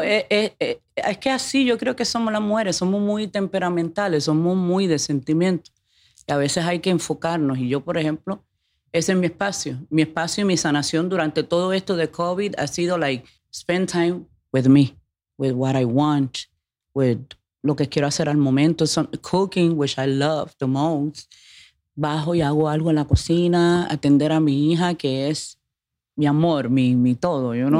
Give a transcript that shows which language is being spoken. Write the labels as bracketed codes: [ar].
[es] Pero es que así yo creo que somos las mujeres. Somos muy temperamentales, somos muy de sentimiento. Y a veces hay que enfocarnos. Y yo, por ejemplo, ese es mi espacio y mi sanación durante todo esto de COVID ha sido [en] like spend time with me, with what I want, [es] with lo que quiero hacer al momento. [en] Cooking, which I love the most. [es] Bajo y hago algo en la cocina, atender a mi hija que es mi amor, mi todo, [en] you know?